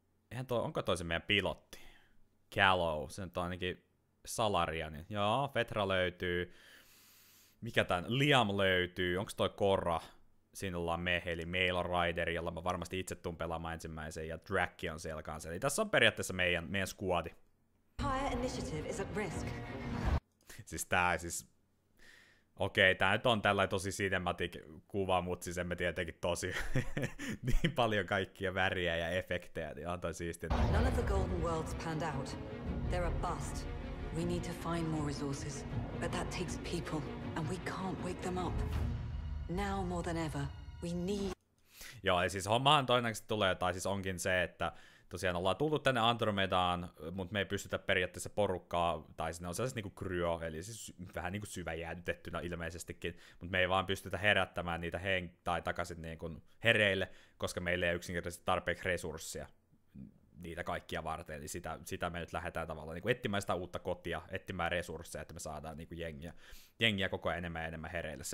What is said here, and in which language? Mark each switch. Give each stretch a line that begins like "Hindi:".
Finnish: Eihän toi, onko toi se meidän pilotti? Callow, se on ainakin Salaria, niin joo, Vetra löytyy. Mikä tän? Liam löytyy, onks toi Korra? Siinä ollaan me, eli Mail Rider, jolla mä varmasti itse tuun pelaamaan ensimmäisen, ja Drakki on siellä kanssa. Eli tässä on periaatteessa meidän squadi.
English: Higher initiative is at risk.
Finnish: Siis tää siis... Okei, tää nyt on tällainen tosi cinematic-kuva, mutta siis emme tietenkin tosi niin paljon kaikkia väriä ja efektejä, niin on toi siistiä.
English: None of the golden worlds panned out. They're a bust. We need to find more resources, but that takes people, and we can't wake them up. Now more than ever, we need...
Finnish: Joo, ja siis hommahan toinnäköisesti tulee, tai siis onkin se, että tosiaan ollaan tultu tänne Andromedaan, mutta me ei pystytä periaatteessa porukkaa, tai siinä on sellaiset niinku kryo, eli siis vähän niinku syväjäädytettynä ilmeisestikin, mutta me ei vaan pystytä herättämään niitä tai takaisin niinku hereille, koska meillä ei ole yksinkertaisesti tarpeeksi resursseja niitä kaikkia varten, eli sitä me nyt lähdetään tavallaan niinku etsimään sitä uutta kotia, etsimään resursseja, että me saadaan niinku jengiä koko ajan enemmän ja enemmän hereille.